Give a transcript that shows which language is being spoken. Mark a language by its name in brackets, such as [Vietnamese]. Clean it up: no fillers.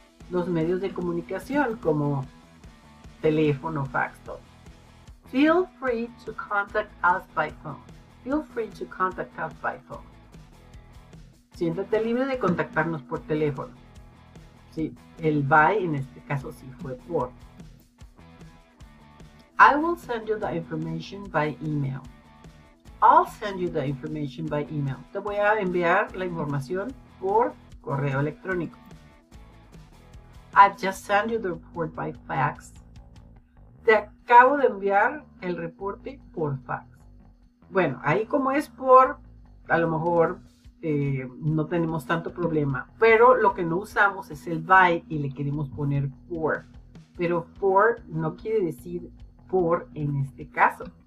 [Spanish] Los medios de comunicación como teléfono, fax, todo. [English] Feel free to contact us by phone. Feel free to contact us by phone. [Spanish] Siéntate libre de contactarnos por teléfono. Sí, el by en este caso sí fue por. [English] I will send you the information by email. I'll send you the information by email. [Spanish] Te voy a enviar la información por correo electrónico. [English] I've just sent you the report by fax. [Spanish] Te acabo de enviar el reporte por fax. Bueno, ahí como es por, a lo mejor no tenemos tanto problema, pero lo que no usamos es el by y le queremos poner for. Pero for no quiere decir por en este caso.